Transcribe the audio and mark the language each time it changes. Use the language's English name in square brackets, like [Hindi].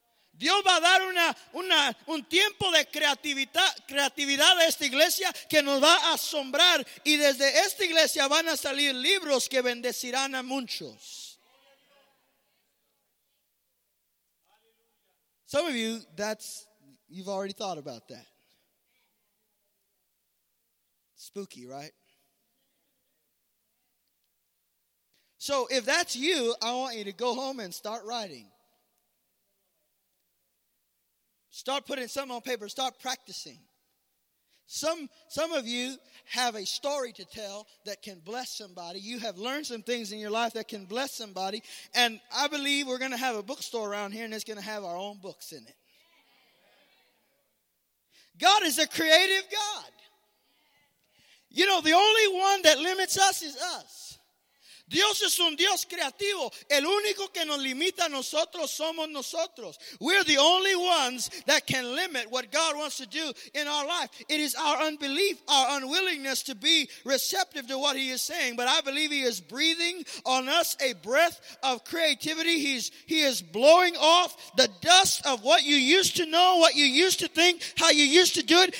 [Spanish] Dios va a dar un tiempo de creatividad a esta iglesia que nos va a asombrar. Y desde esta iglesia van a salir libros que bendecirán a muchos. [English] Some of you, you've already thought about that. Spooky, right? So if that's you, I want you to go home and start writing. Start putting something on paper. Start practicing. Some of you have a story to tell that can bless somebody. You have learned some things in your life that can bless somebody. And I believe we're going to have a bookstore around here and it's going to have our own books in it. God is a creative God. You know, the only one that limits us is us. [Spanish] Dios es un Dios creativo. El único que nos limita a nosotros somos nosotros. [English] We're the only ones that can limit what God wants to do in our life. It is our unbelief, our unwillingness to be receptive to what he is saying. But I believe he is breathing on us a breath of creativity. He is blowing off the dust of what you used to know, what you used to think, how you used to do it.